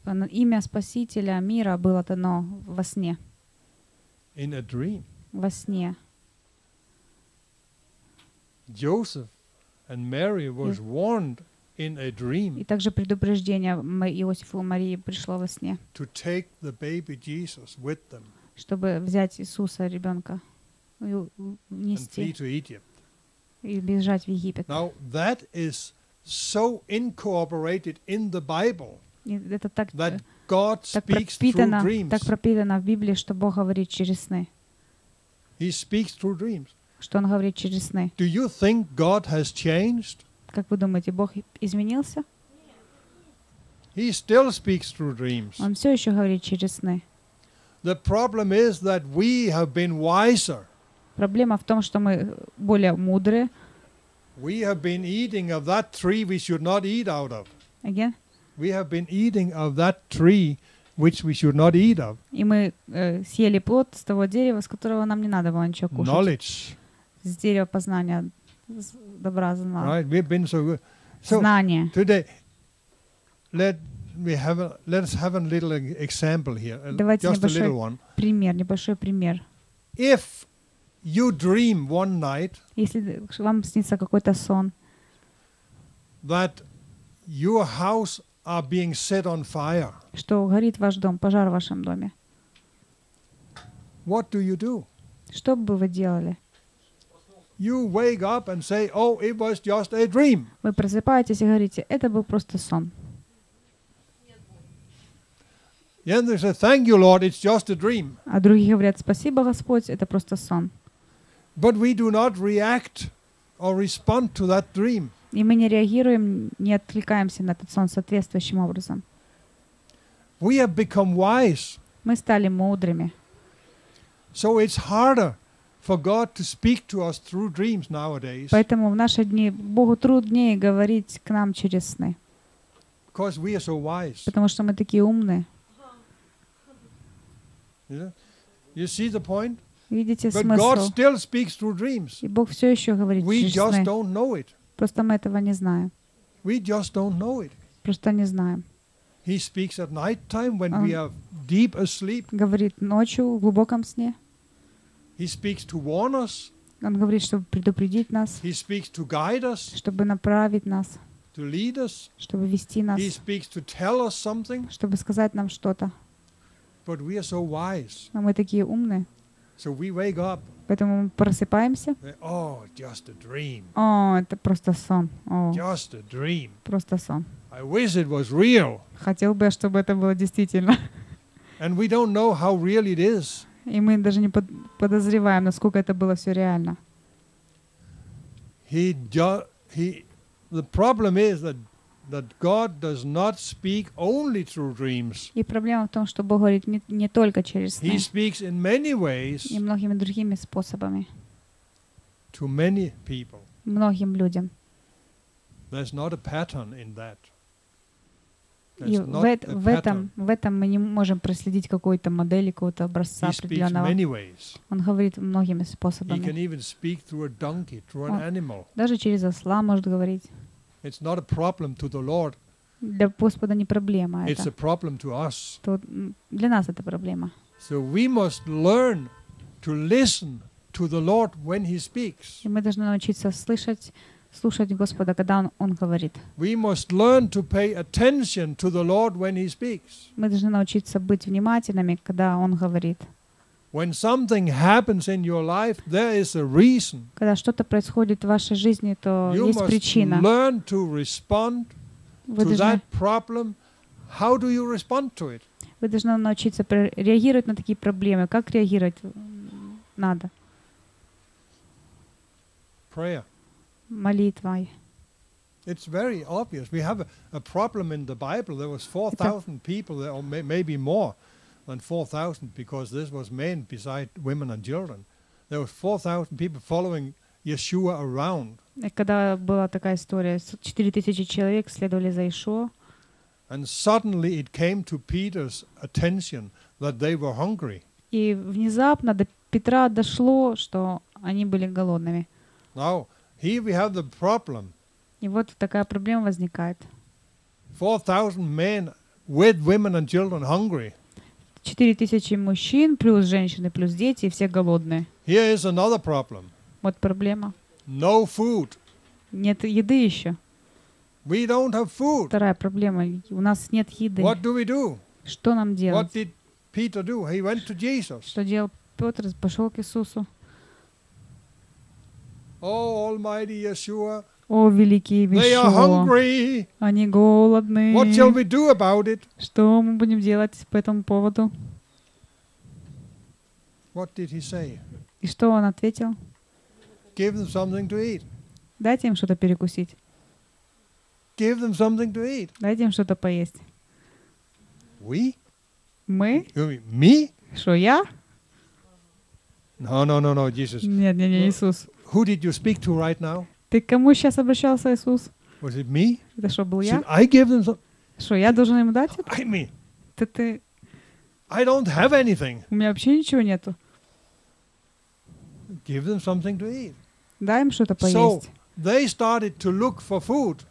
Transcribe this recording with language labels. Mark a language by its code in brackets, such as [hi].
[ru] Имя Спасителя мира было дано во сне. [en] In a dream. [ru] Во сне. [en] Joseph and Mary was warned in a dream. [ru] И также предупреждение Иосифу и Марии пришло во сне. [en] To take the baby Jesus with them. [ru] Чтобы взять Иисуса ребенка и нести. [en] And flee to Egypt. [ru] И бежать в Египет. [en] Now that is so incorporated in the Bible. [ru] Это так, [en] that God [ru] так [en] speaks through dreams. [ru] Так пропитано в Библии, что Бог говорит через сны. [en] He speaks through dreams. [ru] Что Он говорит через сны. [en] Do you think God has changed? [ru] Как вы думаете, Бог изменился? [en] He still speaks through dreams. [ru] Он все еще говорит через сны. [en] The problem is that we have been wiser. [ru] Проблема в том, что мы более мудрые. [en] We have been eating of that tree we should not eat out of. Again? We have been eating of that tree which we should not eat of. [ru] И мы съели плод с того дерева, с которого нам не надо было ничего кушать. [en] Knowledge. [ru] С дерева познания добра и зла. [en] Right, we've been so good. So [ru] знание. [en] Today, let us have a little example here. [ru] Давайте [en] just a little one. [ru] Пример, небольшой пример. [en] If you dream one night, [ru] если вам снится какой-то сон, [en] that your house are being set on fire, [ru] что горит ваш дом, пожар в вашем доме, [en] what do you do? [ru] Что бы вы делали? [en] You wake up and say, "Oh, it was just a dream." [ru] Вы просыпаетесь и говорите, это был просто сон. [en] Then they say, "Thank you, Lord, it's just a dream." [ru] А другие говорят, спасибо, Господь, это просто сон. [en] But we do not react or respond to that dream. [ru] И мы не реагируем, не откликаемся на этот сон соответствующим образом. [en] We have become wise. [ru] Мы стали мудрыми. [en] So it's harder for God to speak to us through dreams nowadays. [ru] Поэтому в наши дни Богу труднее говорить к нам через сны. [en] Because we are so wise. [ru] Потому что мы такие умные. [en] You see the point? [ru] Видите [en] But [ru] смысл? [en] God still speaks through dreams. [ru] И Бог все еще говорит [en] We [ru] через [en] just [ru] сны. [en] Don't know it. [ru] Просто мы этого не знаем. [en] We just don't know it. [ru] Просто не знаем. [en] He speaks at night time when we are deep asleep. [ru] Говорит ночью в глубоком сне. [en] He speaks to warn us. [ru] Он говорит, чтобы предупредить нас. [en] He speaks to guide us. [ru] Чтобы направить нас. [en] To lead us. [ru] Чтобы вести нас. [en] He speaks to tell us something. [ru] Чтобы сказать нам что-то. [en] But we are so wise. [ru] Но мы такие умные. [en] So we wake up. [ru] Поэтому мы просыпаемся. [en] Oh, just a dream. [ru] О, это просто сон. [en] Just a dream. [ru] Просто сон. [en] I wish it was real. [ru] Хотел бы, чтобы это было действительно. [en] And we don't know how real it is. [ru] И мы даже не подозреваем, насколько это было все реально. [en] The problem is that God does not speak only through dreams. [ru] И проблема в том, что Бог говорит не только через сны. [en] He speaks in many ways. [ru] И многими другими способами. [en] To many people. [ru] Многим людям. [en] There's not a pattern in that. [ru] И в этом мы не можем проследить какой-то модели, какого-то образца определенного. Он говорит многими способами. [en] He can even speak through a donkey, through an animal. [ru] Даже через осла может говорить. [en] It's not a problem to the Lord. [ru] Для Господа не проблема это. [en] It's a problem to us. [ru] То для нас это проблема. [en] So we must learn to listen to the Lord when He speaks. [ru] И мы должны научиться слушать Господа, когда он говорит. [en] We must learn to pay attention to the Lord when He speaks. [ru] Мы должны научиться быть внимательными, когда он говорит. [en] When something happens in your life, there is a reason. [ru] Когда что-то происходит в вашей жизни, то есть причина. [en] You must learn to respond to that problem. How do you respond to it? [ru] Вы должны научиться реагировать на такие проблемы. Как реагировать надо? [en] Prayer. [ru] Молитвой. [en] It's very obvious. We have a problem in the Bible. There was 4,000 people there, or maybe more. And 4,000, because this was men beside women and children. There were 4,000 people following Yeshua around. [ru] Когда была такая история, 4,000 человек следовали за Иешуа. [en] And suddenly it came to Peter's attention that they were hungry. [ru] И внезапно до Петра дошло, что они были голодными. [en] Now, here we have the problem. [ru] И вот такая проблема возникает. [en] 4,000 men with women and children hungry. [ru] 4,000 мужчин, плюс женщины, плюс дети, и все голодные. [en] Here is another problem. [ru] Вот проблема. [en] No food. [ru] Нет еды еще. [en] We don't have food. [ru] Вторая проблема. У нас нет еды. [en] What do we do? [ru] Что нам делать? [en] What did Peter do? He went to Jesus. [ru] Что делал Петр? Пошел к Иисусу. [en] Oh, Almighty Yeshua. [ru] О, великий Иешуа. [en] They are hungry. [ru] Они голодны. [en] What shall we do about it? [ru] Что мы будем делать по этому поводу? [en] What did he say? [ru] И что он ответил? [en] Give them something to eat. [ru] Дайте им что-то перекусить. [en] Give them something to eat. [ru] Дайте им что-то поесть. [en] We? [ru] Мы? [en] You mean me? [ru] Что я? [en] No, Jesus. [ru] Нет, Иисус. [en] Who did you speak to right now? [ru] Ты к кому сейчас обращался, Иисус? [en] Was it me? [ru] Это что, был я? [en] I gave them some... [ru] Что, я должен им дать это? [en] I mean. [ru] Это ты... [en] I don't have anything. [ru] У меня вообще ничего нету. [en] Give them something to eat. [ru] Дай им что-то поесть. [en] So they started to look for food.